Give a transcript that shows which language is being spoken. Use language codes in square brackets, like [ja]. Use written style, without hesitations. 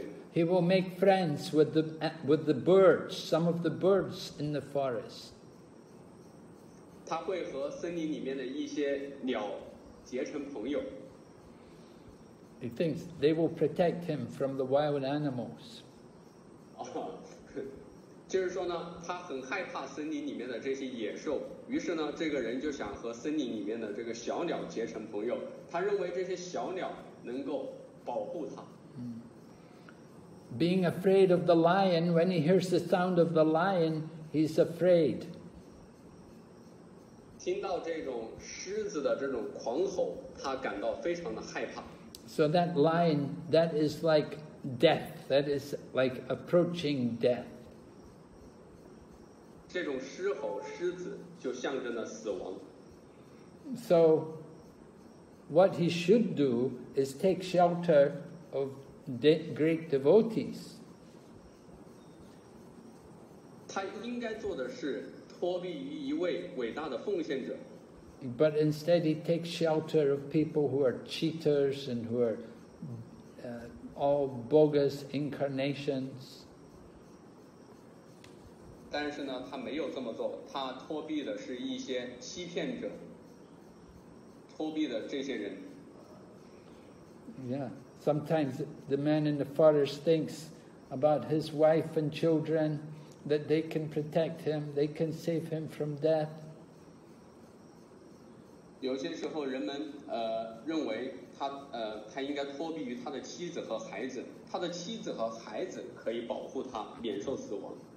[en] he will make friends with the birds, some of the birds in the forest. [zh] 他会和森林里面的一些鸟结成朋友。 [en] He thinks they will protect him from the wild animals. [zh] 就是说呢，他很害怕森林里面的这些野兽，于是呢，这个人就想和森林里面的这个小鸟结成朋友。他认为这些小鸟能够保护他。 [en] Being afraid of the lion, when he hears the sound of the lion, he's afraid. [zh] 听到这种狮子的这种狂吼，他感到非常的害怕。 [en] So that lion, that is like death, that is like approaching death. [zh] 这种狮吼狮子就象征了死亡。 [en] So what he should do is take shelter of great devotees. [zh] 他应该做的是脱避于一位伟大的奉献者。 [en] But instead, he takes shelter of people who are cheaters and who are all bogus incarnations. [zh] 但是呢，他没有这么做，他脱避的是一些欺骗者，脱避的这些人。 [en] Yeah. Sometimes the man in the forest thinks about his wife and children, that they can protect him, they can save him from death. [zh] 有些时候人们认为他应该脱避于他的妻子和孩子，他的妻子和孩子可以保护他免受死亡。